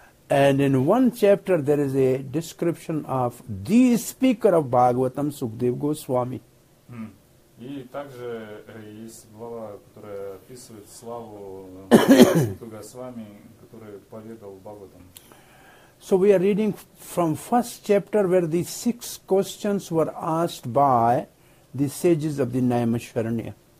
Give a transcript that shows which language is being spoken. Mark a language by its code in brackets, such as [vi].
[en] And in one chapter there is a description of the speaker of Bhagavatam, Sukhdev Goswami. [ru] И также есть глава, которая описывает славу Госвами, который поведал Бхагаватам. [en] So we are reading from first chapter where the six questions were asked by the sages of the Naimasharanya.